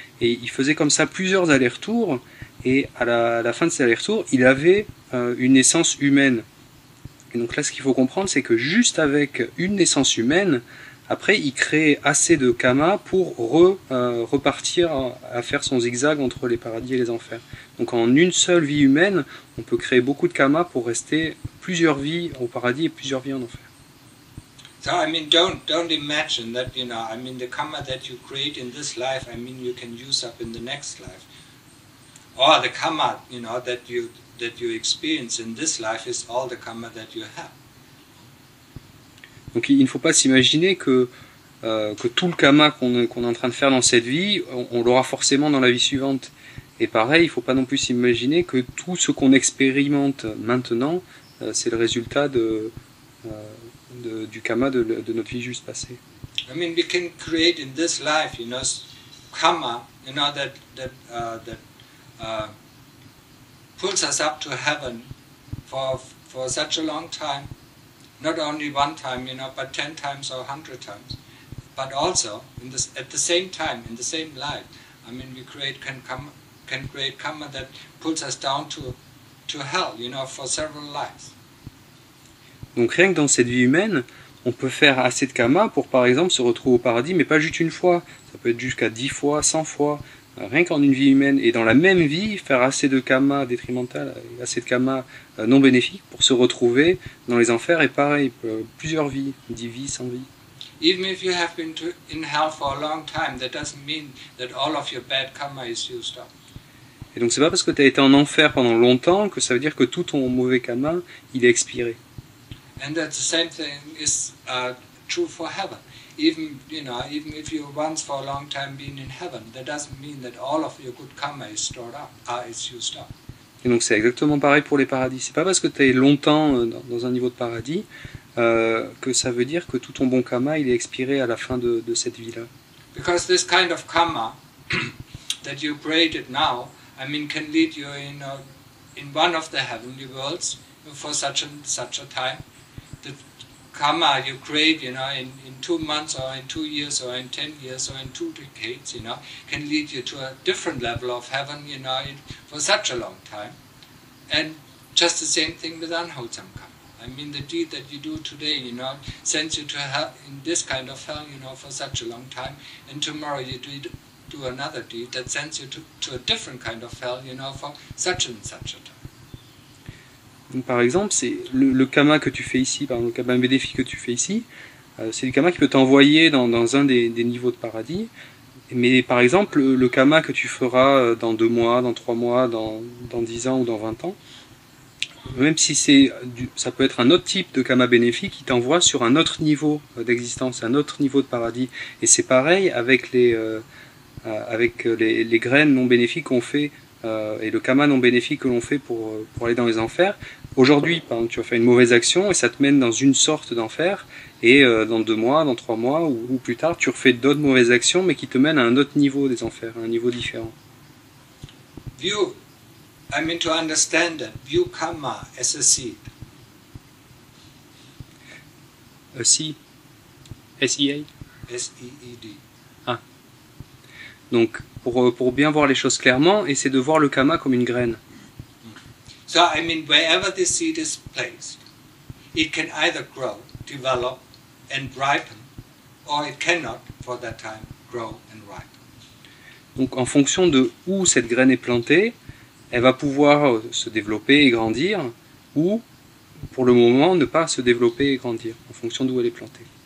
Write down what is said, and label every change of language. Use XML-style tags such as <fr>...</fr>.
<fr>Et il faisait comme ça plusieurs allers-retours, et à la fin de ces allers-retours, il avait une naissance humaine. Et donc là, ce qu'il faut comprendre, c'est que juste avec une naissance humaine, Après, il crée assez de kamma pour repartir à faire son zigzag entre les paradis et les enfers. Donc en une seule vie humaine, on peut créer beaucoup de kamma pour rester plusieurs vies au paradis et plusieurs vies en enfer.</fr> <en>So I mean, don't imagine that, you know, I mean, the kamma that you create in this life, I mean, you can use up in the next life. Or the kamma, you know, that you experience in this life is all the kamma that you have.</en> <fr>Donc il ne faut pas s'imaginer que tout le kamma qu'on est en train de faire dans cette vie, on l'aura forcément dans la vie suivante. Et pareil, il ne faut pas non plus s'imaginer que tout ce qu'on expérimente maintenant, c'est le résultat du kamma de notre vie juste passée.</fr> <en>I mean, we can create in this life, you know, kamma, you know, that pulls us up to heaven for such a long time. Not only one time, you know, but 10 times or 100 times. But also, at the same time, in the same life, I mean, we can create kamma that pulls us down to hell, you know, for several lives.</en> <fr>Donc rien que dans cette vie humaine, on peut faire assez de kamma pour, par exemple, se retrouver au paradis, mais pas juste une fois. Ça peut être jusqu'à 10 fois, 100 fois, rien qu'en une vie humaine. Et dans la même vie, faire assez de kamma détrimental, assez de kamma non bénéfique pour se retrouver dans les enfers. Et pareil, plusieurs vies, 10 vies, 100 vies.</fr> <en>Even if you have been in hell for a long time, that doesn't mean that all of your bad karma is used up.</en> <fr>Et donc c'est pas parce que tu as été en enfer pendant longtemps que ça veut dire que tout ton mauvais kamma, il est expiré.</fr> <en>And that the same thing is true for heaven. Even, you know, even if you once for a long time been in heaven, that doesn't mean that all of your good karma is stored up, is used up.</en> <fr>Et donc c'est exactement pareil pour les paradis. C'est pas parce que tu es longtemps dans un niveau de paradis que ça veut dire que tout ton bon karma il est expiré à la fin de cette vie-là.</fr> <en>Because this kind of karma that you created now, I mean, can lead you in one of the heavenly worlds for such a time. The karma you create, you know, in 2 months or in 2 years or in 10 years or in 2 decades, you know, can lead you to a different level of heaven, you know, for such a long time. And just the same thing with unwholesome karma. I mean, the deed that you do today, you know, sends you to hell in this kind of hell, you know, for such a long time. And tomorrow you do another deed that sends you to a different kind of hell, you know, for such and such a time.</en> <fr>Donc par exemple, c'est le kamma que tu fais ici, pardon, le kamma bénéfique que tu fais ici, c'est le kamma qui peut t'envoyer dans un des niveaux de paradis. Mais par exemple, le kamma que tu feras dans 2 mois, dans 3 mois, dans 10 ans ou dans 20 ans, même si ça peut être un autre type de kamma bénéfique qui t'envoie sur un autre niveau d'existence, un autre niveau de paradis. Et c'est pareil avec les graines non bénéfiques qu'on fait. Et le kamma non bénéfique que l'on fait pour aller dans les enfers. Aujourd'hui, par exemple, tu vas faire une mauvaise action et ça te mène dans une sorte d'enfer. Et dans 2 mois, dans 3 mois ou plus tard, tu refais d'autres mauvaises actions, mais qui te mènent à un autre niveau des enfers, à un niveau différent.</fr> <en>View, I mean to understand that, view kamma as a seed. A seed. S-E-A. S-E-E-D. Ah.</en> <fr>Donc, pour bien voir les choses clairement, et c'est de voir le kamma comme une graine.</fr> <en>So I mean, wherever this seed is placed, it can either grow, develop, and ripen, or it cannot, for that time, grow and ripen.</en> <fr>Donc, en fonction de où cette graine est plantée, elle va pouvoir se développer et grandir, ou, pour le moment, ne pas se développer et grandir, en fonction d'où elle est plantée.</fr>